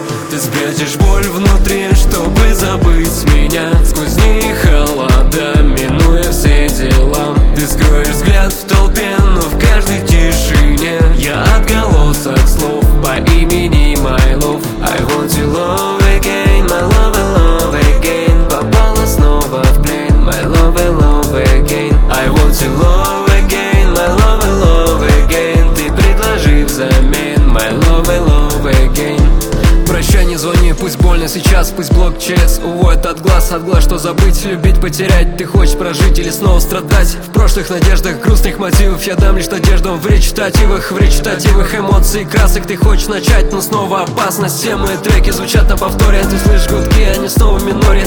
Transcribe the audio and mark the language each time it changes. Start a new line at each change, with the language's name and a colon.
Russian: Ты спрячешь боль внутри, чтобы забыть меня. Сквозь дни холода, минуя все дела, ты скроешь взгляд в толпе, но в каждой тишине я отголосок слов по имени
English: My Love. I want you love again, my love, I love again.
Russian: Попала снова в плен,
English: my love, I love again. I want you love again, my love, I love again.
Russian: Ты предложи взамен,
English: my love, I love again.
Russian: Прощание, звони, пусть больно сейчас, пусть блок ЧС уводит от глаз, что забыть, любить, потерять. Ты хочешь прожить или снова страдать? В прошлых надеждах, грустных мотивов, я дам лишь надеждам в речитативах эмоций, красок. Ты хочешь начать, но снова опасность. Все мои треки звучат на повторе, ты слышишь гудки, они снова в миноре.